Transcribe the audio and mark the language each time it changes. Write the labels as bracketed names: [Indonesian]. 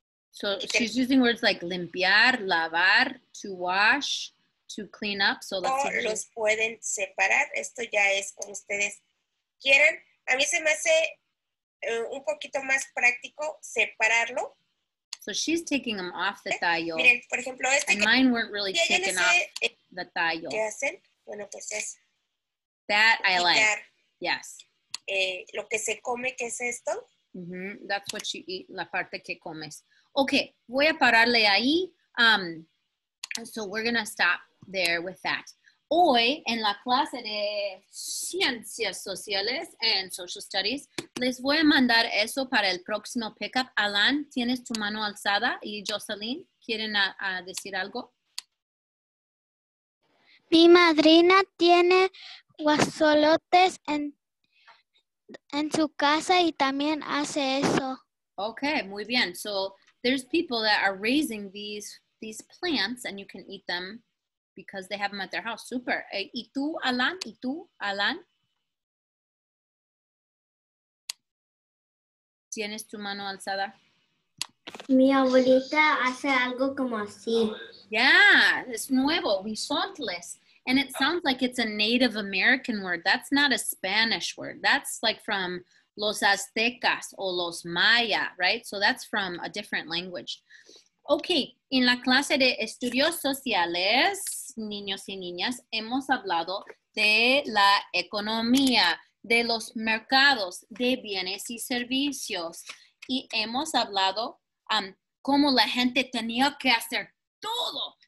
[English] So she's using words like [Spanish] limpiar, lavar, [English] to wash, to clean up. So [Spanish] let's see. Los pueden separar. Esto ya es como ustedes quieran. A mí se me hace un poquito más práctico separarlo. [English] So she's taking them off the tallo. [Spanish] Miren, por ejemplo, este. [English] And mine weren't really taken off the tallo. [Spanish] ¿Qué hacen? Bueno, pues es [English] That I like. Yes. [Spanish] Lo que se come, ¿qué es esto? Mm-hmm. [English] That's what you eat, [Spanish] la parte que comes. Okay, voy a pararle ahí. [English] So we're going to stop there with that. [Spanish] Hoy, en la clase de Ciencias Sociales [English] and Social Studies, [Spanish] les voy a mandar eso para el próximo pickup. Alan, ¿tienes tu mano alzada? Y Jocelyn, ¿quieren a decir algo? Mi madrina tiene guasolotes en su casa y también hace eso. Okay, muy bien. [English] So, there's people that are raising these plants and you can eat them because they have them at their house. [Spanish] Super. ¿Y tú, Alan? ¿Y tú, Alan? ¿Tienes tu mano alzada? Mi abuelita hace algo como así. Yeah, es nuevo. Guisantes. [English] And it sounds like it's a Native American word. That's not a Spanish word. That's like from Los Aztecas o Los Maya, right? So that's from a different language. [Spanish] Okay, in la clase de estudios sociales, niños y niñas, hemos hablado de la economía, de los mercados, de bienes y servicios. Y hemos hablado cómo la gente tenía que hacer todo.